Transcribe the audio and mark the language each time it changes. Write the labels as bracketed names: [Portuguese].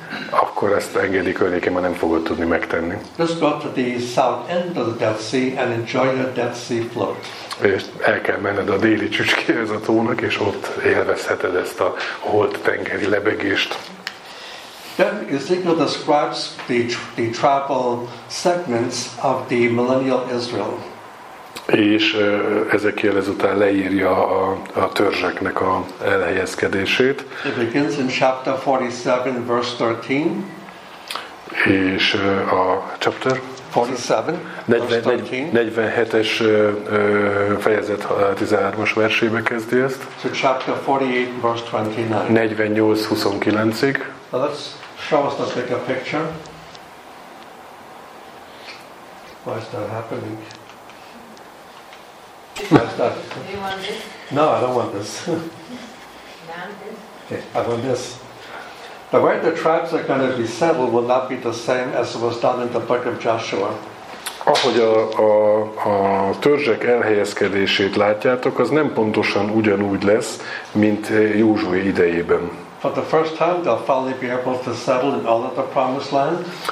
[Hungarian] Akkor ezt Engedi környékén már nem fogod tudni megtenni. [English] Just go to the south end of the Dead Sea and enjoy the Dead Sea float. [Hungarian] És el kell menned a déli csücskéhez a tónak, és ott élvezheted ezt a Holt-tengeri lebegést. [English] Then Ezekiel describes the travel segments of the millennial Israel. [Hungarian] És Ezekiel ezután leírja a törzseknek a elhelyezkedését. [English] It begins in chapter 47, verse 13. [Hungarian] És a chapter 47, 47-es fejezet 13-as versébe kezdi ezt. [English] So chapter 48, verse 29. [Hungarian] 48-29-ig. [English] Let's show us the bigger picture. Why is that happening? Do you want this? No, I don't want this. Okay, I want this. The way the tribes are going to be settled will not be the same as was done in the book of Joshua. [Hungarian] Ahogy a törzsek elhelyezkedését látjátok, az nem pontosan ugyanúgy lesz, mint Józsué idejében. [English] For the first time, they'll finally be able to settle in all of the promised land.